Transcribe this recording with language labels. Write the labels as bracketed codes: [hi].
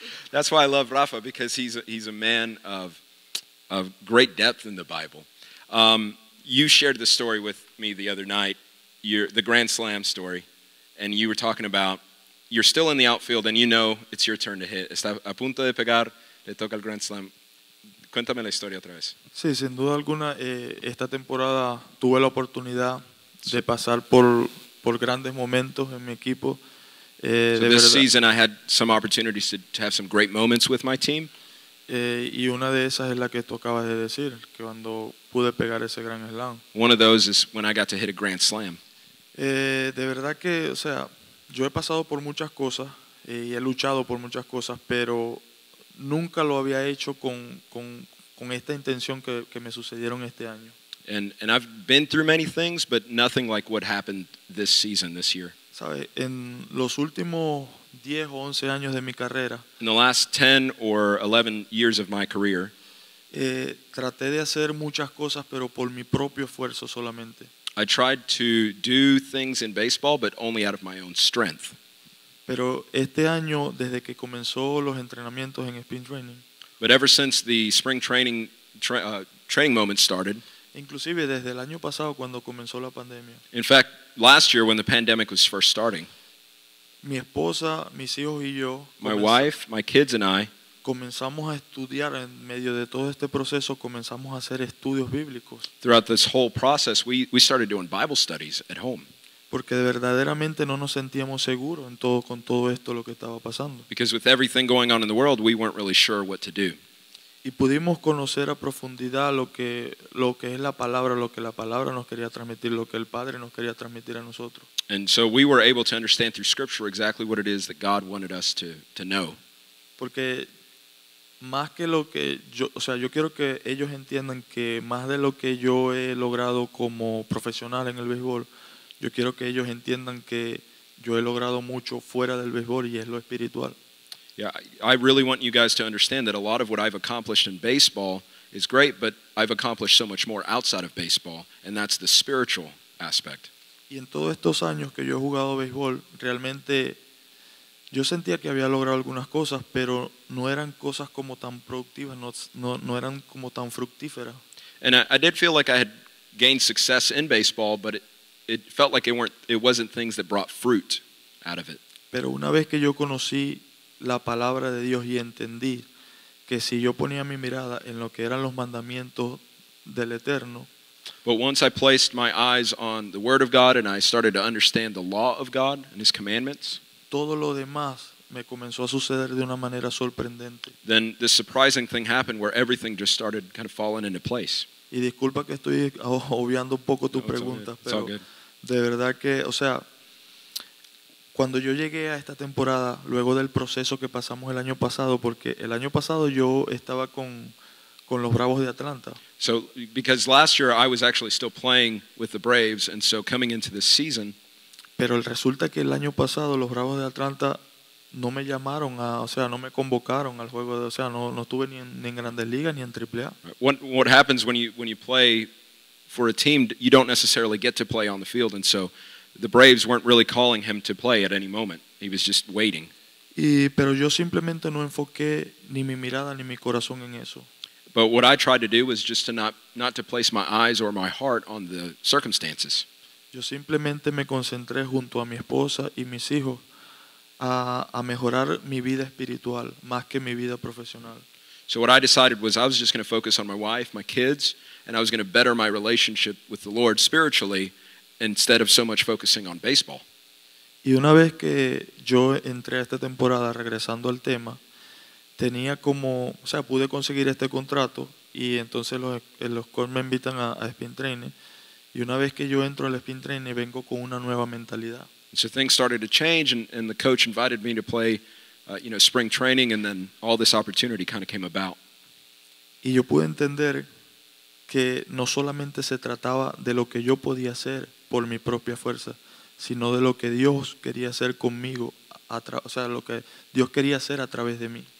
[en] That's why I love Rafa, because he's a man of great depth in the Bible. You shared the story with me the other night, the Grand Slam story, and you were talking about you're still in the outfield, and you know it's your turn to hit. [es] Está a punto de pegar, le toca el Grand Slam. Cuéntame la historia otra vez. Sí, sin duda alguna, esta temporada tuve la oportunidad de pasar por grandes momentos en mi equipo. [en] So this season I had some opportunities to have some great moments with my team. [es] Y una de esas es la que tú acabas de decir, que cuando pude pegar ese gran slam. [en] One of those is when I got to hit a Grand Slam. [es] De verdad que, o sea, yo he pasado por muchas cosas y he luchado por muchas cosas, pero nunca lo había hecho con esta intención que me sucedieron este año. [en] And I've been through many things, but nothing like what happened this season, this year. [es] ¿Sabe? En los últimos 10 o 11 años de mi carrera, [en] in the last 10 or 11 years of my career, [es] traté de hacer muchas cosas, pero por mi propio esfuerzo solamente. [en] I tried to do things in baseball, but only out of my own strength. [es] Pero este año, desde que comenzó los entrenamientos en spring training, [en] but ever since the spring training training moment started, [es] inclusive desde el año pasado cuando comenzó la pandemia, [en] in fact, last year when the pandemic was first starting, [es] mi esposa, mis hijos y yo, [en] my wife, my kids and I, [es] comenzamos a estudiar en medio de todo este proceso, comenzamos a hacer estudios bíblicos. [en] Throughout this whole process, we started doing Bible studies at home. [es] Porque verdaderamente no nos sentíamos seguros en todo, con todo esto lo que estaba pasando. [en] Because with everything going on in the world, we weren't really sure what to do. [es] Y pudimos conocer a profundidad lo que es la palabra, lo que la palabra nos quería transmitir, lo que el Padre nos quería transmitir a nosotros. [en] And so we were able to understand through Scripture exactly what it is that God wanted us to know. [es] Porque más que lo que yo, o sea, yo quiero que ellos entiendan que más de lo que yo he logrado como profesional en el béisbol, yo quiero que ellos entiendan que yo he logrado mucho fuera del béisbol y es lo espiritual. [en] Yeah, I really want you guys to understand that a lot of what I've accomplished in baseball is great, but I've accomplished so much more outside of baseball, and that's the spiritual aspect. [es] Y en todos estos años que yo he jugado béisbol, realmente yo sentía que había logrado algunas cosas, pero no eran cosas como tan productivas, no eran como tan fructíferas. [en] And I did feel like I had gained success in baseball, but it felt like it wasn't things that brought fruit out of it. [es] Pero una vez que yo conocí la palabra de Dios y entendí que si yo ponía mi mirada en lo que eran los mandamientos del Eterno, [en] but once I placed my eyes on the word of God and I started to understand the law of God and his commandments, [es] todo lo demás me comenzó a suceder de una manera sorprendente. [en] Then this surprising thing happened where everything just started kind of falling into place. [es] Y disculpa que estoy obviando un poco tu pregunta, pero de verdad que, o sea, cuando yo llegué a esta temporada, luego del proceso que pasamos el año pasado, porque el año pasado yo estaba con los Bravos de Atlanta. [en] So, because last year I was actually still playing with the Braves, and so coming into this season, [es] pero resulta que el año pasado los Bravos de Atlanta no me llamaron, no me convocaron al juego, no estuve ni en Grandes Ligas ni en Triple A. [en] What happens when you play for a team, you don't necessarily get to play on the field, and so the Braves weren't really calling him to play at any moment. He was just waiting. [es] Y, pero yo simplemente no enfoqué ni mi mirada ni mi corazón en eso. [en] But what I tried to do was just to not to place my eyes or my heart on the circumstances. [es] Yo simplemente me concentré junto a mi esposa y mis hijos a mejorar mi vida espiritual más que mi vida profesional. [en] So what I decided was I was just going to focus on my wife, my kids, and I was going to better my relationship with the Lord spiritually instead of so much focusing on baseball. [es] Y una vez que yo entré a esta temporada, regresando al tema, tenía como, o sea, pude conseguir este contrato y entonces los Cubs me invitan a spin training. Y una vez que yo entro al spin training, vengo con una nueva mentalidad. [en] So things started to change and the coach invited me to play, spring training, and then all this opportunity kind of came about. [es] Y yo pude entender que no solamente se trataba de lo que yo podía hacer por mi propia fuerza, sino de lo que Dios quería hacer conmigo, lo que Dios quería hacer a través de mí.